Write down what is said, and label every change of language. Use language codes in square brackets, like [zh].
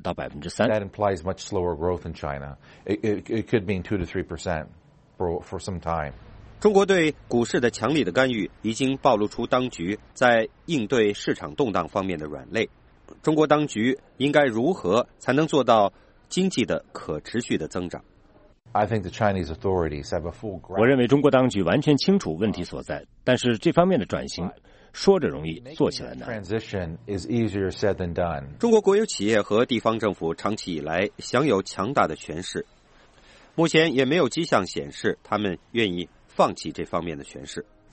[en] That implies much slower growth in China. It could mean 2-3% for some time. [zh] 中国对股市的强力的干预已经暴露出当局在应对市场动荡方面的软肋。中国当局应该如何才能做到经济的可持续的增长？ [en] I think the Chinese authorities have a full grasp. [zh] 我认为中国当局完全清楚问题所在，但是这方面的转型说着容易，做起来难。 [en] Transition is easier said than done. [zh] 中国国有企业和地方政府长期以来享有强大的权势，目前也没有迹象显示他们愿意放弃这方面的权势。